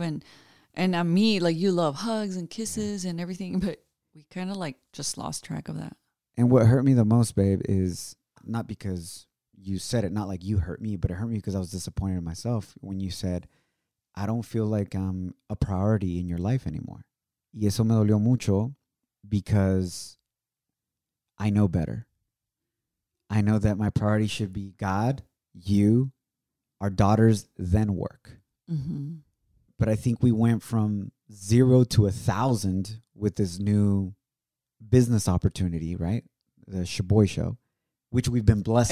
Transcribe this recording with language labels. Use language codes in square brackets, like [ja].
[en] And I mean, like, you love hugs and kisses and everything. But we kind of, like, just lost track of that. And what hurt me the most, babe, is not because you said it, not like you hurt me, but it hurt me because I was disappointed in myself when you said, I don't feel like I'm a priority in your life anymore. [es] Y eso me dolió mucho [en] because I know better. I know that my priority should be God, you, our daughters, then work. Mm-hmm. But I think we went from 0 to 1,000 with this new business opportunity, right? The Shaboy Show, which we've been blessed